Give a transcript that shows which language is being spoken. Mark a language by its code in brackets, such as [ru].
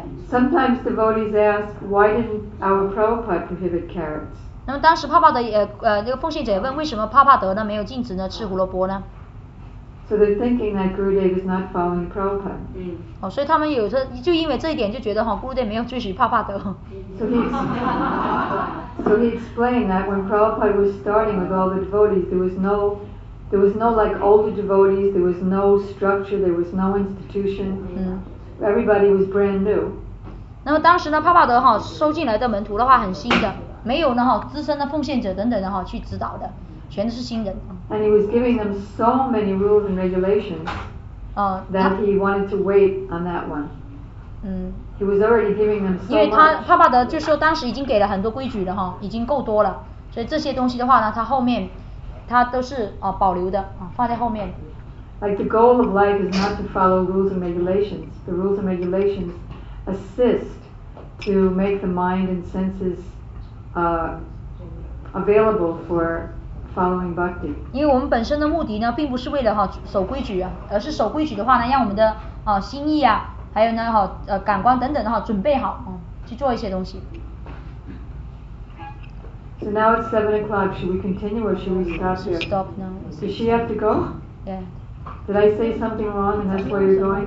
[en] Sometimes devotees ask, why didn't our Prabhupada prohibit carrots? [zh] 那么当时帕帕德那个奉献者问，为什么帕帕德呢没有禁止呢吃胡萝卜呢？ [en] So they're thinking that Gurudev is not following Prabhupada. 嗯。 [zh] 哦，所以他们有时候就因为这一点就觉得哈，Gurudev没有遵循帕帕德。 [en] So he explained that when Prabhupada was starting with all the devotees, there was no like older devotees, there was no structure, there was no institution. 嗯。 Everybody was brand new. [zh] 那么当时呢，帕帕德哈收进来的门徒的话很新的，没有呢哈资深的奉献者等等的哈去指导的，全都是新人。 [en] And he was giving them so many rules and regulations. That he wanted to wait on that one. 嗯。 He was already giving them so. [zh] 因为他帕帕德就说当时已经给了很多规矩了哈，已经够多了，所以这些东西的话呢，他后面他都是保留的啊，放在后面。 [en] Like the goal of life is not to follow rules and regulations. The rules and regulations assist to make the mind and senses available for following bhakti. [zh] 因为我们本身的目的呢，并不是为了哈守规矩啊，而是守规矩的话呢，让我们的啊心意啊，还有呢哈感官等等的哈准备好啊，去做一些东西。 [en] So now it's 7 o'clock. Should we continue or should we stop here? Stop now. Does she have to go? Yeah. Did I say something wrong and that's where you're going?